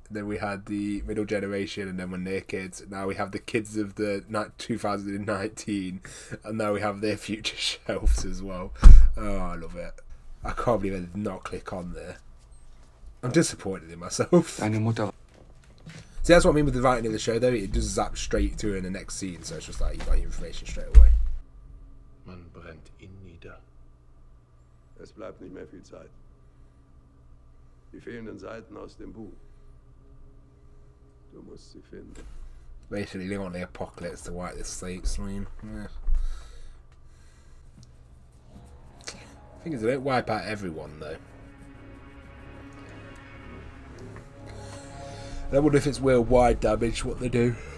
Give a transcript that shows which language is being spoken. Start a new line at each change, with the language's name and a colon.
English: Then we had the middle generation, and then when they're kids. Now we have the kids of the 2019, and now we have their future shelves as well. Oh, I love it. I can't believe I did not click on there. I'm disappointed in myself.
German: Deine Mutter.
English: See, that's what I mean with the writing of the show, though. It just zaps straight to in the next scene, so it's just like you got your information straight away.
German: Man brennt ihn nieder. Es bleibt nicht mehr viel Zeit. Die fehlenden Seiten aus dem Buch. Du musst sie finden.
English: Basically, they want the apocalypse to wipe the slate clean. Yeah. Thing is, they don't wipe out everyone, though. I wonder if it's worldwide damage what they do.